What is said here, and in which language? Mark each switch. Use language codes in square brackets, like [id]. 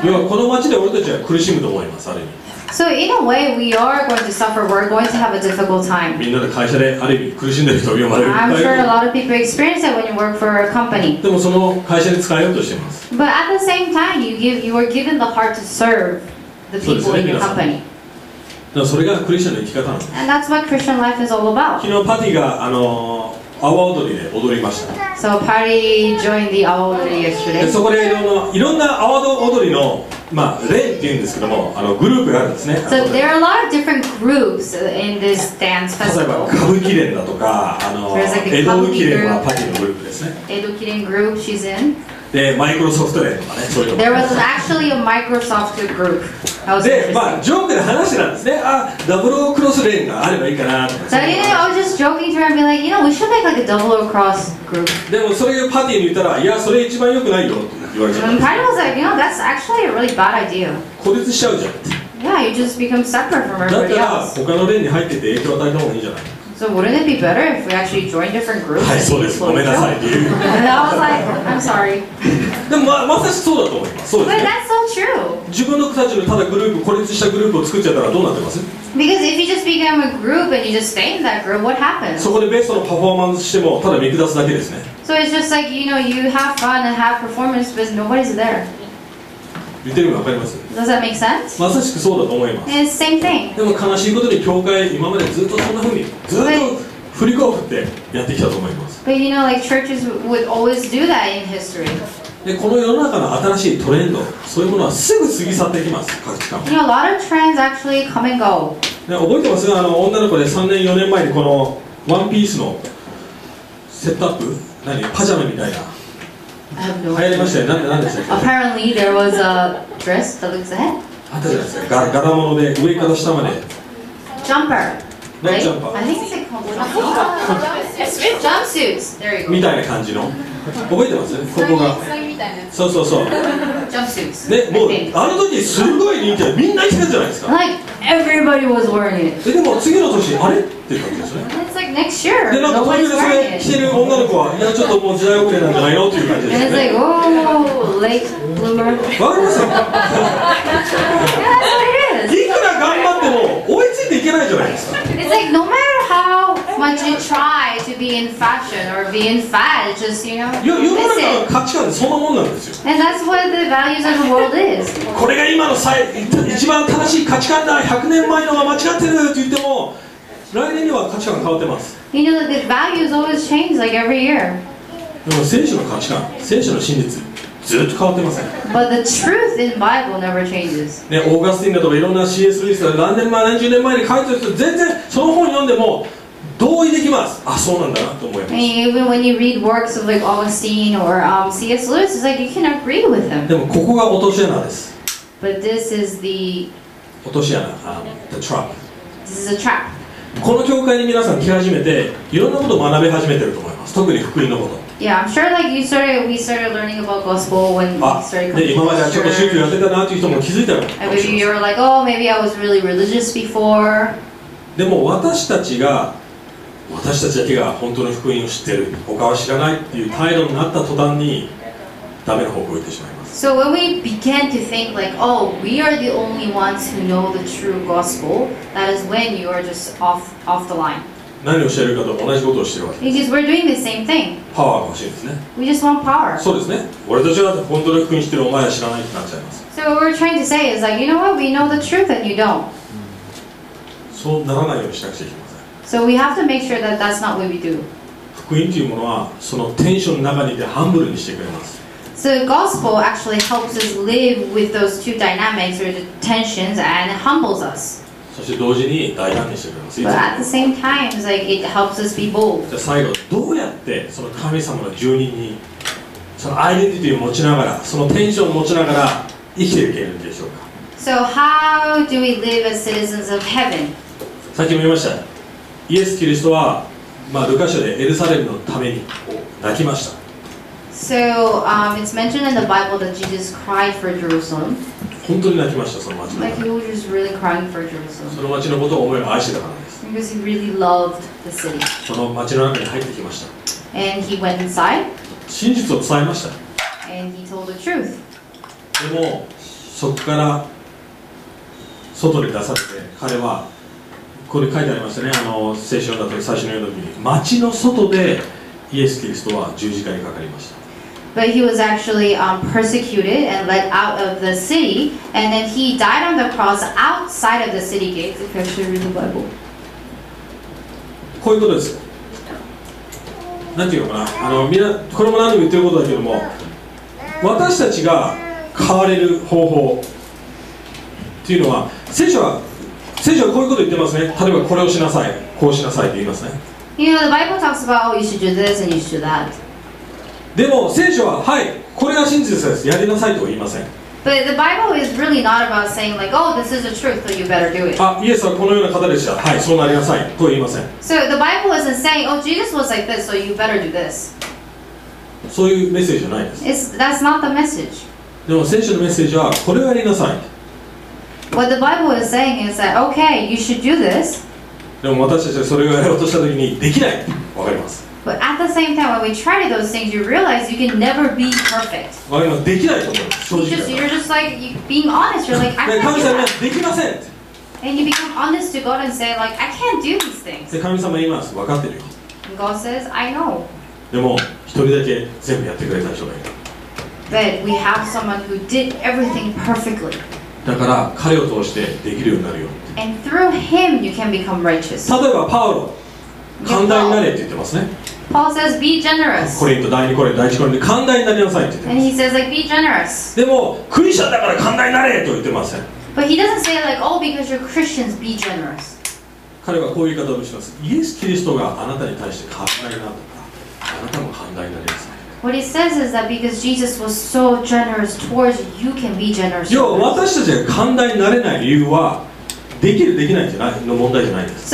[ja] 要はこの街で俺たちは苦しむと思います、ある意味。 [en] So in a way we are going to suffer. We're going to have a difficult time. [ja] みんなで会社である意味苦しんでる人を読まれる。 [en] I'm sure a lot of people experience that when you work for a company. [ja] でもその会社に使えようとしています。 [en] But at the same time you are given the heart to serve the people、 [ja] ね、 [en] in your company. [ja] だからそれがクリスチャンの生き方なんです。 [en] And that's what Christian life is all about. [ja] 昨日パティがアワ踊りで踊りました。 [en] So party joined the awa 踊り yesterday. [ja] そこでいろんなアワ踊りの、まあ、例っていうんですけども、グループがあるんですね。 So there are a lot of different groups in this dance festival. 例えば歌舞伎連だとか、江戸舞伎連はパティのグループですね。 [en] 江戸舞伎連 group she's in. [ja] で、マイクロソフト連とかね、そういうの。 [en] There was actually a Microsoft group. [ja] で、まあ、ジョークで話なんですね。あ、ダブルクロスレーンがあればいいかなとか。 [en] So, I was just joking to her and be like, you know, we should make like a double cross group. [ja] でも、それをパティに言ったら、いや、それ一番良くないよって言われちゃった。 [en] And Patty was like, you know, that's actually a really bad idea. [ja] 孤立しちゃうじゃん。 [en] Yeah, you just become separate from everybody [ja] else. だったら、他のレーンに入ってて影響を与えた方がいいじゃない。 [en] So wouldn't it be better if we actually joined different groups? [ja] はい、そうです。ごめんなさい。 [en] I was like, I'm sorry. [ja] でも、まさしくそうだと思います。そうですね。 [en] But that's so true. [ja] 自分のたちのただグループ、孤立したグループを作っちゃったらどうなってます？ [en] Because if you just become a group and you just stay in that group, what happens? [ja] そこでベストのパフォーマンスしても、ただ見下すだけですね。 [en] So it's just like, you know, you have fun and have performance, but nobody's there. [ja] 言ってるのわかります？ [en] Does that make sense? [ja] まさしくそうだと思います。 [en] It's the same thing. [ja] でも悲しいことに、教会、今までずっとそんな風に、ずっと振り子を振ってやってきたと思います。 [en] But you know, like churches would always do that in history. [ja] でこの世の中の新しいトレンド、そういうものはすぐ過ぎ去っていきます、価値観。 [en] You know, a lot of trends actually come and go. [ja] 覚えてますか？女の子で3年、4年前にこのワンピースのセットアップ、何パジャマみたいな、流行りましたよ。何でしたっけ [en] ？Apparently there was a dress that looks ahead. [ja] あったじゃないですか。柄物で上から下まで。 [en] Jumper. No jumper. I think it's a jumpsuit. Jumpsuits. There you go. [ja] みたいな感じの。覚えてます？ここが。そうそうそう。ね、もうあの時すごい人気でみんな着てたじゃないですか。 [en] Like everybody was wearing it。 [ja] でも次の年あれって感じですね。 [en] It's like next year。 [ja] でなんか東京でそれ着てる女の子はいやちょっともう時代遅れなんじゃないのっていう感じですね。 [en] And it's like oh late bloomer。 [ja] わかります [en] か？Yes it is。 [ja] いくら頑張っても追いついていけないじゃないですか。 [en] It's like no matter how much you try to be in fashion or be in fad, just you know. You miss it. [ja] 世の中の価値観そのものなんですよ。 [en] And that's what the values of the world is. [ja] これが今の一番正しい価値観だ。100年前のが間違ってると言っても、来年には価値観が変わってます。 [en] You know that the values always change like every year. [ja] でも聖書の価値観、聖書の真実。ずっと変わってません。 [en] But the truth in Bible never changes. [ja] ね、オーガスティンだとかいろんな C.S. ルイスが何年前何十年前に書いてる人全然その本読んでも同意できます。あ、そうなんだなと思います。 [en] And even when you read works of like Augustine or C.S. Lewis, it's like you can agree with them. [ja] でもここが落とし穴です。 [en] But this is the 落とし穴、the trap. This is a trap. [ja] この教会に皆さん来始めて、いろんなことを学び始めてると思います。特に福音のこと。 [en] Yeah, I'm sure like you started, we started learning about gospel when we started coming to church. [ja] ちょっと宗教やってたなっていう人も気づいた [en] ら。You were like, oh, maybe I was really religious before. [ja] でも私たちだけが本当の福音を知ってる、他は知らないっていう態度になった途端にダメな方向を行ってしまいます。 [en] So when we began to think like, oh, we are the only ones who know the true gospel, that is when you are just off the line. [ja] 何を教えるかと同じことをしているわけです。 [en] Because we're doing the same thing. [ja] パワーが欲しいですね。 [en] We just want power. [ja] そうですね。俺たちが本当の福音知ってるお前は知らないってなっちゃいます。 [en] So what we're trying to say is like, you know what? We know the truth and you don't. [ja] そうならないようにしなくちゃいけません。 [en] So we have to make sure that that's not what we do. [ja] 福音というものはそのテンションの中にいてハンブルにしてくれます。 [en] So the gospel actually helps us live with those two dynamics or the tensions and humbles us. [ja] そして同時に大胆にしてくれます。 [en] But at the same time, like, it helps us be bold. [ja] じゃあ最後、どうやってその神様の住人にそのアイデンティティを持ちながら、そのテンションを持ちながら生きていけるんでしょうか。 [en] So how do we live as citizens of heaven? [ja] さっきも言いました。イエス・キリストは、まあ、ルカ書でエルサレムのために泣きました。 [en] So, it's mentioned in the Bible that Jesus cried for Jerusalem. [ja] 本当に泣きました、その町の。 [en] Like, he was just really crying for Jerusalem. [ja] その町のことを思いを愛してたからです。 [en] Because he really loved the city. [ja] その町の中に入ってきました。 [en] And he went inside. [ja] 真実を伝えました。 [en] And he told the truth. [ja] でも、そこから外に出されて、彼は、ここに書いてありましたね、聖書だと最初の読んだ時に、町の外で、イエス・キリストは十字架にかかりました。 [en] But he was actually persecuted and led out of the city, and then he died on the cross outside of the city gates. If you actually read the Bible. [ja] こういうことです。なんていうのかな、みんなこれも何度も言ってることだけども、私たちが変われる方法っていうのは、聖書はこういうこと言ってますね。例えばこれをしなさい、こうしなさいと言いますね。 [en] You know, the Bible talks about, oh, you should do this and you should do that. [ja] でも聖書は、はい、これが真実です。やりなさいと言いません。 [en] But the Bible is really not about saying like, oh, this is the truth, so you better do it. [ja] あ、イエスはこのような方でした。はい、そうなりなさいと言いません。 [en] So the Bible isn't saying, oh, Jesus was like this, so you better do this. [ja] そういうメッセージじゃないです。 [en] That's not the message. [ja] でも聖書のメッセージは、これをやりなさい。 [en] What the Bible is saying is that, okay, you should do this. [ja] でも私たちはそれをやろうとした時にできない。わかります。 [en] But at the same time, when we try those things, you realize you can never be perfect. [ja] わかります。できないと思う。正直。 [en] You're just like being honest. You're like, I can't do that. [ja] 神様、できません。 [en] And you become honest to God and say, like, I can't do these things. [ja] で、神様言います。わかってるよ。 [en] God says, I know. [ja] でも、一人だけ全部やってくれた人がいる。 [en] But we have someone who did everything perfectly. [ja] だから彼を通してできるようになるよ。 [en] And through him you can become righteous. [ja] 例えばパウロ、寛大になれって言ってますね。 [en] Paul says be generous. [ja] コリント第2コリント第1コリント寛大になりなさいって言ってます。 [en] And he says like be generous. [ja] でもクリスチャンだから寛大になれと言ってません。 [en] But he doesn't say like oh because you're Christians be generous. [ja] 彼はこういう言い方をします。イエス・キリストがあなたに対して寛大なとか、あなたも寛大になりなさい。 [en] What he says is that because Jesus was so generous towards you, you can be generous. [ja] 要は私たちが寛大になれない理由はできるできないじゃないの問題じゃないです。